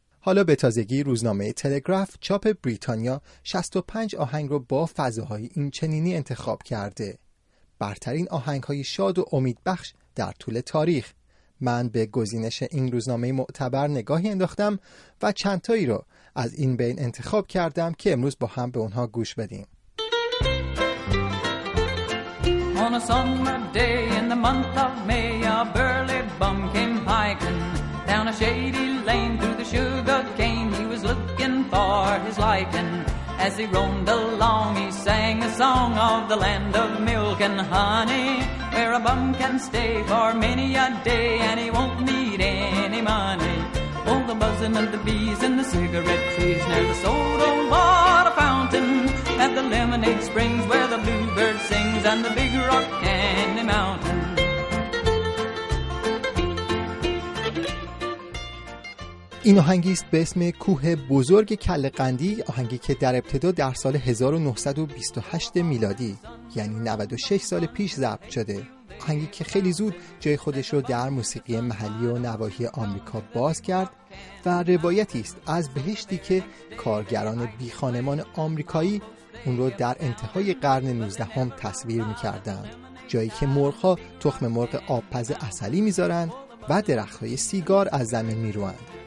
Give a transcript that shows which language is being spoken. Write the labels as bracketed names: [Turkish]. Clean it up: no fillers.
[Persian] حالا به تازگی روزنامه تلگراف چاپ بریتانیا 65 آهنگ رو با فضاهای این چنینی انتخاب کرده. برترین آهنگ‌های شاد و امیدبخش در طول تاریخ. من به گزینش این روزنامه معتبر نگاهی انداختم و چند تایی رو از این بین انتخاب کردم که امروز با هم به اونها گوش بدیم. [English] On a summer day in the month of May, a burly bum came hiking down a shady lane through the sugar cane. He was looking for his liking. As he roamed along, he sang a song of the land of milk and honey, where a bum can stay for many a day, and he won't need any money. Oh, the buzzing of the bees in the cigarette trees, near the soda water fountain, at the lemonade springs where the bluebird sings, and the big rock candy mountain. [Persian] این آهنگی است به اسم کوه بزرگ کله قندی، آهنگی که در ابتدا در سال 1928 میلادی، یعنی 96 سال پیش، ضبط شده. آهنگی که خیلی زود جای خودش رو در موسیقی محلی و نواحی آمریکا باز کرد و روایتی است از بهشتی که کارگران بیخانمان آمریکایی اون رو در انتهای قرن 19 هم تصویر می‌کردند، جایی که مرغ‌ها تخم مرغ آبپز اصلی می‌ذارند و درخت‌های سیگار از زمین می‌روند.